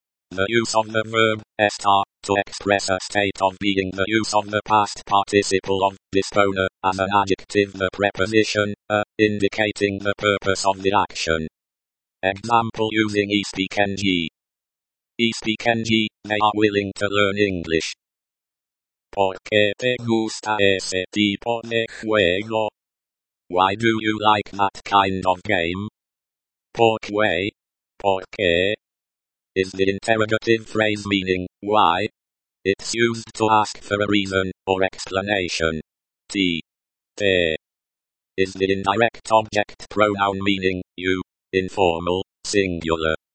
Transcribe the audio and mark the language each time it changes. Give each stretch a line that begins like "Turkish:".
English: The use of the verb estar to express a state of being. The use of the past participle of disponer as an adjective. The preposition a, indicating the purpose of the action. Example using eSpeakNG. eSpeakNG, they are willing to learn English.
Spanish: ¿Por qué te gusta ese tipo de juego?
English: Why do you like that kind of game?
Spanish: ¿Por qué? ¿Por qué?
English: Is the interrogative phrase meaning, why? It's used to ask for a reason or explanation. T. T. Is the indirect object pronoun meaning, you, informal, singular.